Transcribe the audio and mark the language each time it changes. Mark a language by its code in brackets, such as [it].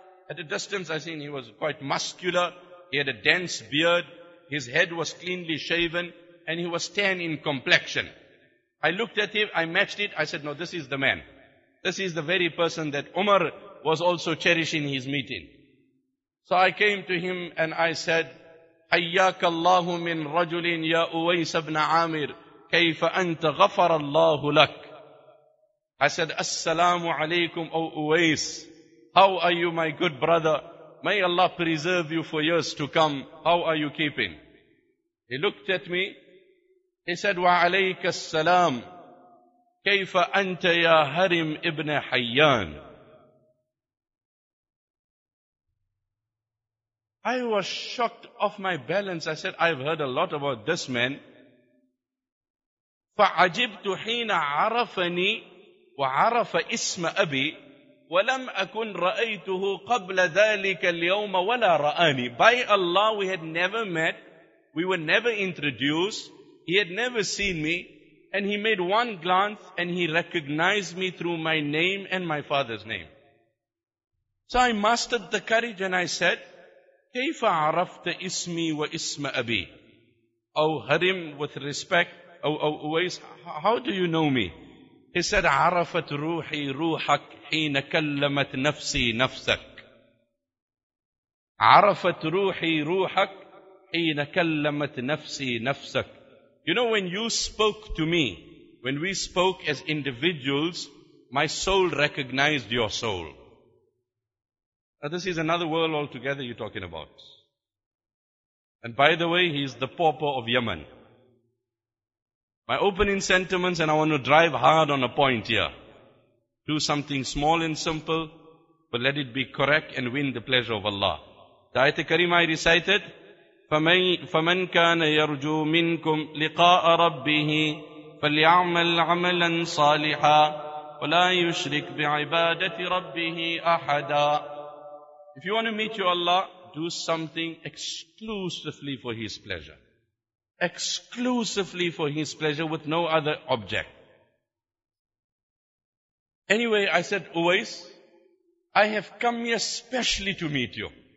[en] At a distance, I seen he was quite muscular. He had a dense beard. His head was cleanly shaven. And he was tan in complexion. I looked at him. I matched it. I said, no, this is the man. This is the very person that Umar was also cherishing his meeting. So I came to him and I said, [ar] حَيَّاكَ اللَّهُ مِنْ رَجُلٍ يَا أُوَيْسَ بْنَ عَامِرٍ كَيْفَ أَنْتَ غَفَرَ اللَّهُ لَكَ. [en] I said, [ar] السَّلَامُ عَلَيْكُمْ أَوْ أُوَيْسَ. [en] How are you, my good brother? May Allah preserve you for years to come. How are you keeping? He looked at me. He said, [ar] وَعَلَيْكَ السَّلَامُ كيف أنت يا هرم ابن حيان. [en] I was shocked off my balance. I said, I've heard a lot about this man. [ar] فعجبت حين عرفني وعرف اسم أبي ولم أكن رأيته قبل ذلك اليوم ولا رآني. [en] By Allah, we had never met. We were never introduced. He had never seen me. And he made one glance and he recognized me through my name and my father's name. So I mastered the courage and I said, [ar] كَيْفَ عَرَفْتَ إِسْمِي وَإِسْمَ أَبِي. [en] O Harim, with respect, O Uwais, how do you know me? He said, [ar] عَرَفَتْ رُوحِي رُوحَكْ حِينَ كَلَّمَتْ نَفْسِي نَفْسَكْ. عَرَفَتْ رُوحِي رُوحَكْ حِينَ كَلَّمَتْ نَفْسِي نَفْسَكْ. [en] You know, when you spoke to me, when we spoke as individuals, my soul recognized your soul. Now this is another world altogether you're talking about. And by the way, he's the pauper of Yemen. My opening sentiments, and I want to drive hard on a point here. Do something small and simple, but let it be correct and win the pleasure of Allah. The ayat-e kareem I recited, [ar] فَمَنْ كَانَ يَرْجُو مِنْكُمْ لِقَاءَ رَبِّهِ فَلْيَعْمَلْ عَمَلًا صَالِحًا وَلَا يُشْرِكْ بِعِبَادَةِ رَبِّهِ أَحَدًا. [en] If you want to meet your Allah, do something exclusively for His pleasure. exclusively for his pleasure with no other object. Anyway, I said, Uwais, I have come here specially to meet you.